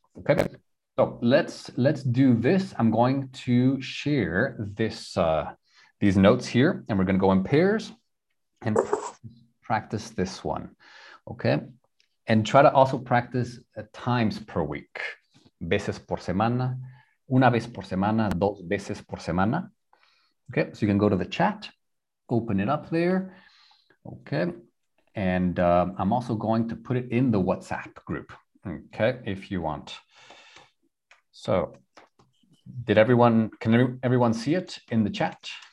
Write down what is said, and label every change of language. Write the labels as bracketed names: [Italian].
[English] Okay, so let's do this. I'm going to share this these notes here, and we're going to go in pairs and practice this one, okay? And try to also practice times per week. [Spanish] Veces por semana, una vez por semana, dos veces por semana. [English] Okay, so you can go to the chat, open it up there. Okay, and I'm also going to put it in the WhatsApp group, okay, if you want. So did everyone, can everyone see it in the chat?